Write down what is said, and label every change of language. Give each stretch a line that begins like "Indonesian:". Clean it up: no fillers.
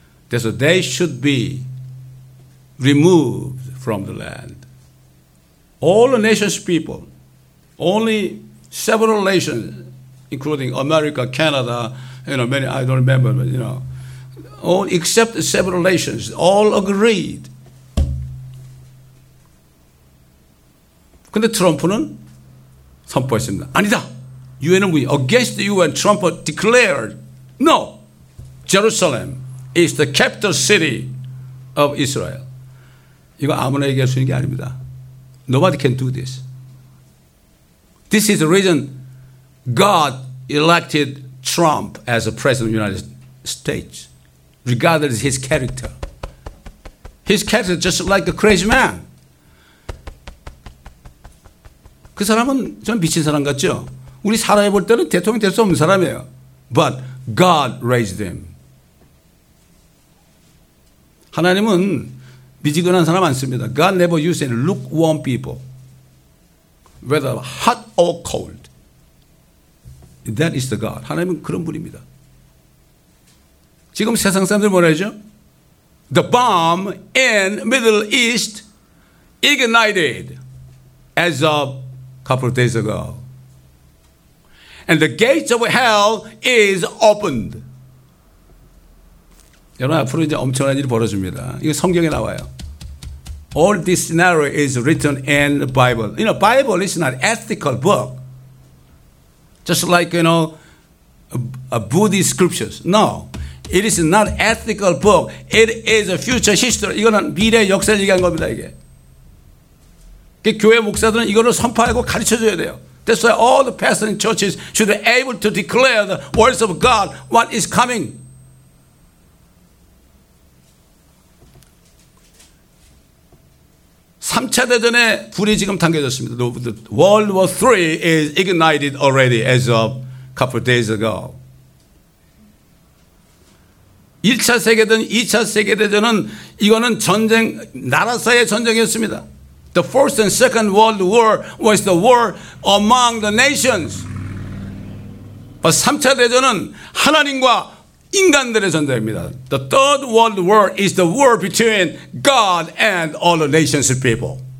English: So they should be removed from the land. All the nations' people, only several nations, including America, Canada, you know, many, I don't remember, but you know, all except several nations, all agreed.
Korean: 근데 트럼프는 선포했습니다. 아니다! UN은 무슨?
English: Against the UN, Trump declared, No, Jerusalem is the capital city of Israel.
Korean: 이거 아무나 얘기할 수 있는 게 아닙니다.
English: Nobody can do this. This is the reason God elected Trump as a president of the United States, regardless of his character. His character is just like a crazy man.
Korean: 그 사람은 좀 미친 사람 같죠? 우리 살아볼 때는 대통령 될 수 없는 사람이에요.
English: But God raised him.
Korean: 하나님은 미지근한 사람 많습니다.
English: God never used any lukewarm people. Whether hot or cold. That is the God.
Korean: 하나님은 그런 분입니다. 지금 세상 사람들 뭐라 하죠?
English: The bomb in Middle East ignited as of a couple of days ago. And the gates of hell is opened.
Korean: 여러분 앞으로 이제 엄청난 일이 벌어집니다. 이거 성경에 나와요.
English: All this scenario is written in the Bible. You know, Bible is not an ethical book. Just like, you know, a Buddhist scriptures. No, it is not an ethical book. It is a future history.
Korean: 이거는 미래 역사를 얘기한 겁니다, 이게. 교회 목사들은 이거를 선포하고 가르쳐줘야 돼요.
English: That's why all the pastors in churches should be able to declare the words of God, what is coming.
Korean: 3차 대전의 불이 지금 당겨졌습니다.
English: The World War III is ignited already as of a couple of days ago.
Korean: 1차 세계대전, 2차 세계대전은 이거는 전쟁, 나라 사이의 전쟁이었습니다.
English: The First and Second World War was the war among the nations. But
Korean: 3차 대전은 하나님과 인간들의 전쟁입니다.
English: The Third World War is the war between God and all the nations of people.